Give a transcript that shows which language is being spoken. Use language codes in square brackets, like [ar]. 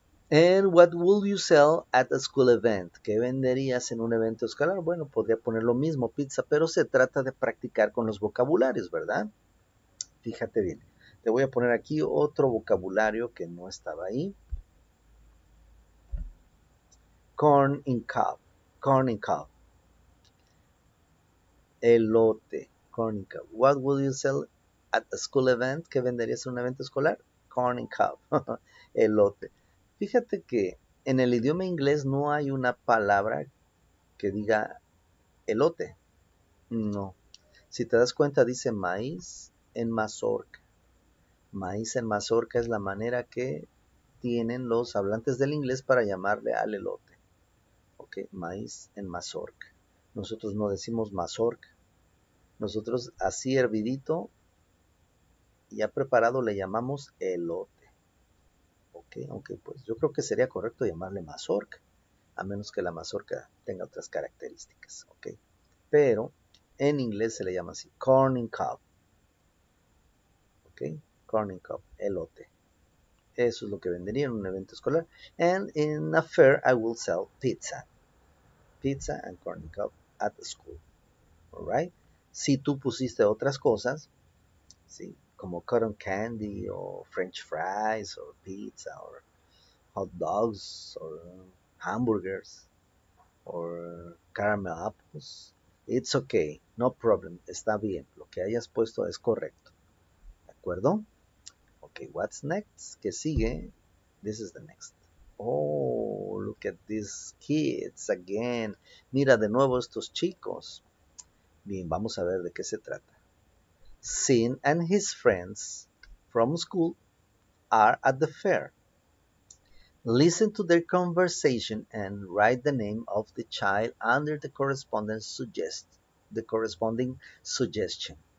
[en] And what will you sell at a school event? [es] ¿Qué venderías en un evento escolar? Bueno, podría poner lo mismo, pizza, pero se trata de practicar con los vocabularios, ¿verdad? Fíjate bien. Te voy a poner aquí otro vocabulario que no estaba ahí. [en] Corn in cob. Corn in cob. Elote. Corn in cob. What will you sell at a school event? [es] ¿Qué venderías en un evento escolar? Corn in cob. Elote. Fíjate que en el idioma inglés no hay una palabra que diga elote. No. Si te das cuenta, dice maíz en mazorca. Maíz en mazorca es la manera que tienen los hablantes del inglés para llamarle al elote. ¿Ok? Maíz en mazorca. Nosotros no decimos mazorca. Nosotros así hervidito, ya preparado, le llamamos elote. Aunque okay, pues yo creo que sería correcto llamarle mazorca, a menos que la mazorca tenga otras características, okay. Pero en inglés se le llama así, corn in cob, okay, corn in cob, elote. Eso es lo que vendería en un evento escolar. [en] And in a fair I will sell pizza, pizza and corn in cob at the school. [es] All right. Si tú pusiste otras cosas, sí, como cotton candy, o french fries, o pizza, o hot dogs, o hamburgers, o caramel apples. It's okay, no problem, está bien, lo que hayas puesto es correcto. ¿De acuerdo? [en] Okay, what's next? ¿Qué sigue? This is the next. Oh, look at these kids again. [es] Mira de nuevo estos chicos. Bien, vamos a ver de qué se trata. [en] Sin and his friends from school are at the fair. Listen to their conversation and write the name of the child under the corresponding suggestion.